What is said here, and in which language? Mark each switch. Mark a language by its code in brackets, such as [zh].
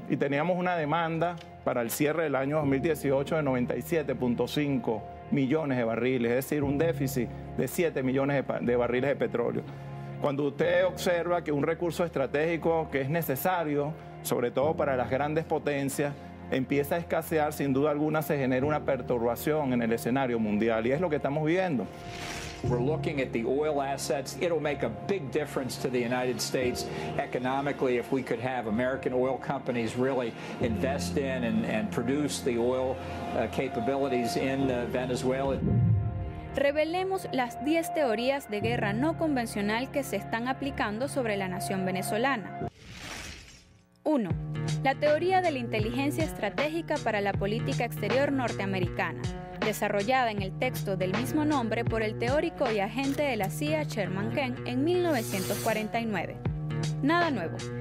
[es] Y teníamos una demanda para el cierre del año 2018 de 97.5 millones de barriles, es decir, un déficit de 7 millones de barriles de petróleo. Cuando usted observa que un recurso estratégico que es necesario, sobre todo para las grandes potencias, empieza a escasear, sin duda alguna se genera una perturbación en el escenario mundial, y es lo que estamos viendo. [en] We're looking at the oil assets. It'll make a big difference to the United States economically if we could have American oil companies really invest in and produce the oil capabilities in Venezuela. [es] Revelemos las 10 teorías de guerra no convencional que se están aplicando sobre la nación venezolana. 1. La teoría de la inteligencia estratégica para la política exterior norteamericana, desarrollada en el texto del mismo nombre por el teórico y agente de la CIA Sherman Ken en 1949. Nada nuevo.